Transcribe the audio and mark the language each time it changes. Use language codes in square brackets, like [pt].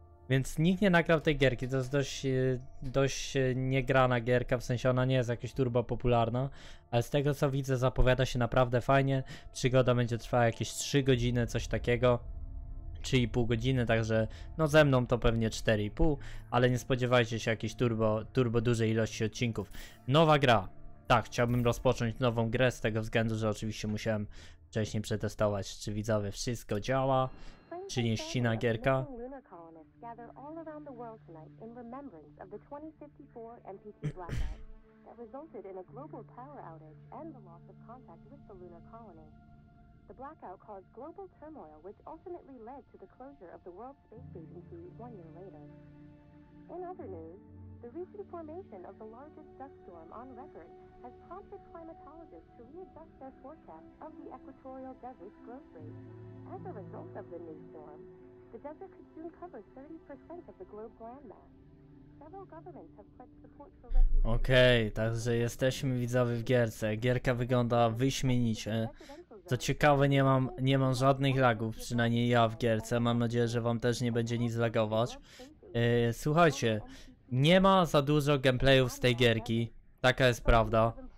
[pl] Więc nikt nie nagrał tej gierki, to jest dość niegrana gierka, w sensie ona nie jest jakaś turbo popularna, ale z tego co widzę, zapowiada się naprawdę fajnie, przygoda będzie trwała jakieś 3 godziny, coś takiego, 3,5 godziny, także no ze mną to pewnie 4,5, ale nie spodziewajcie się jakiejś turbo dużej ilości odcinków. Nowa gra, tak, chciałbym rozpocząć nową grę z tego względu, że oczywiście musiałem wcześniej przetestować, czy widzowie wszystko działa, czy nie ścina gierka. [en] Gather all around the world tonight in remembrance of the 2054 MPT blackout that resulted in a global power outage and the loss of contact with the lunar colony. The blackout caused global turmoil, which ultimately led to the closure of the World Space Agency 1 year later. In other news, the recent formation of the largest dust storm on record has prompted climatologists to readjust their forecast of the equatorial desert's growth rate. As a result of the new storm, the desert could soon cover 30% of the globe's landmass. Several governments have pledged support for refugees. [pl] Okay, także jesteśmy, widzowie, w gierce. Gierka wygląda wyśmienicie. Co ciekawe, nie mam żadnych lagów, przynajmniej ja w gierce. Mam nadzieję, że wam też nie będzie nic lagować. Słuchajcie, nie ma za dużo gameplayów z tej gierki. Taka jest prawda.